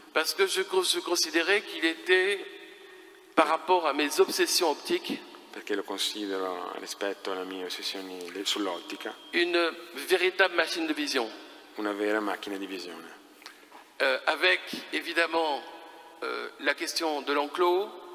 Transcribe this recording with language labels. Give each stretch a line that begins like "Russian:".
French: Parce que je considérais qu'il était par rapport à mes obsessions optiques.
Italian: Perché lo considero rispetto alle mie ossessioni sull'ottica.
French: Une véritable machine de vision.
Italian: Una vera macchina di visione.
French: Avec évidemment la question de l'enclos.